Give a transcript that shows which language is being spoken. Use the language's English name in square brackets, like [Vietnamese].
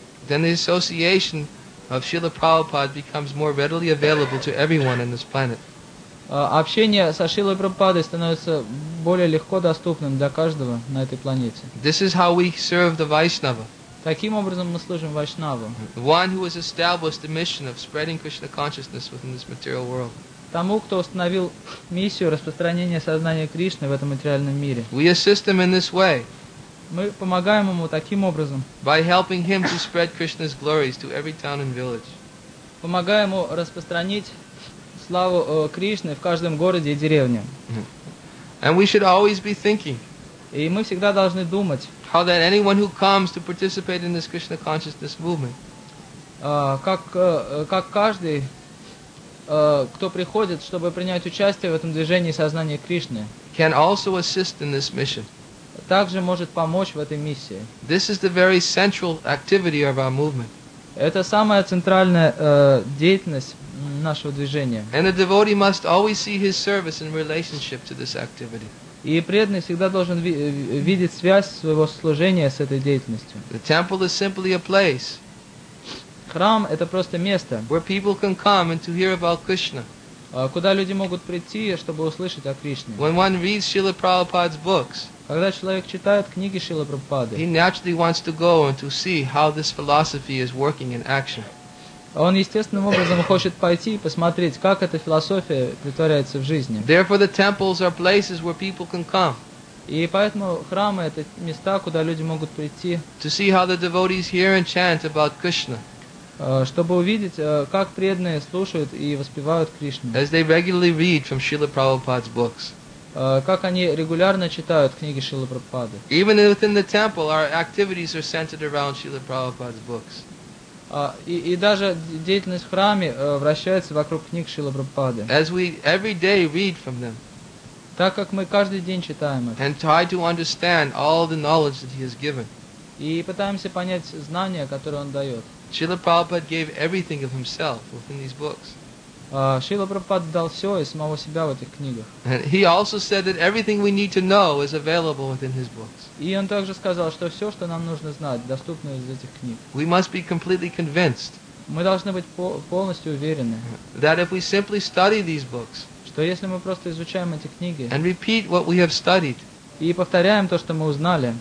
[English] Then the association of Srila Prabhupada becomes more readily available to everyone on this planet. [Russian] Общение со Шрилой Прабхупадой становится более легко доступным для каждого на этой планете. [English] This is how we serve the Vaishnava. [Russian] Таким образом мы служим Вайшнавам. [English] One who has established the mission of spreading Krishna consciousness within this material world. [Russian] Тому, кто установил миссию распространения сознания Кришны в этом материальном мире. [English] We assist him in this way. [Russian] Мы помогаем ему таким образом. [English] By helping him to spread Krishna's glories to every town and village. [Russian] Помогая ему распространить славу Кришны в каждом городе и деревне. [English] And we should always be thinking. [Russian] И мы всегда должны думать. [English] How that anyone who comes to participate in this Krishna consciousness movement. [Russian] Как каждый, кто приходит, чтобы принять участие в этом движении сознания Кришны. [English] Can also assist in this mission. [Russian] Также может помочь в этой миссии. [English] This is the very central activity of our movement. [Russian] Это самая центральная деятельность нашего движения. [English] And a devotee must always see his service in relationship to this activity. [Russian] И преданный всегда должен видеть связь своего служения с этой деятельностью. [English] The temple is simply a place. [Russian] Храм — это просто место. [English] Where people can come and to hear about Krishna. [Russian] Куда люди могут прийти, чтобы услышать о Кришне. [English] When one reads Srila Prabhupada's books. [Russian] Когда человек читает книги Шрилы Прабхупады, [English] he naturally wants to go and to see how this philosophy is working in action. [Russian] Он естественным образом хочет пойти и посмотреть, как эта философия притворяется в жизни. [English] Therefore, the temples are places where people can come. [Russian] И поэтому храмы — это места, куда люди могут прийти. [English] To see how the devotees hear and chant about Krishna. [Russian] Чтобы увидеть, как преданные слушают и воспевают Кришну. [English] As they regularly read from Srila Prabhupada's books. [Russian] Как они регулярно читают книги Шрилы Прабхупады. [English] Even within the temple, our activities are centered around Srila Prabhupada's books. [Russian] И даже деятельность в храме вращается вокруг книг Шрилы Прабхупады. [English] As we every day read from them. [Russian] Так как мы каждый день читаем их. [English] And try to understand all the knowledge that he has given. [Russian] И пытаемся понять знания, которые он дает. [English] Srila Prabhupada gave everything of himself within these books. [Russian] Шрила Прабхупада дал все из самого себя в этих книгах. [English] And he also said that everything we need to know is available within his books. [Russian] И он также сказал, что все, что нам нужно знать, доступно из этих книг. [English] We must be completely convinced. [Russian] Мы должны быть полностью уверены. [English] That if we simply study these books. [Russian] Что если мы просто изучаем эти книги. [English] And repeat what we have studied. [Russian] И повторяем то, что мы узнали.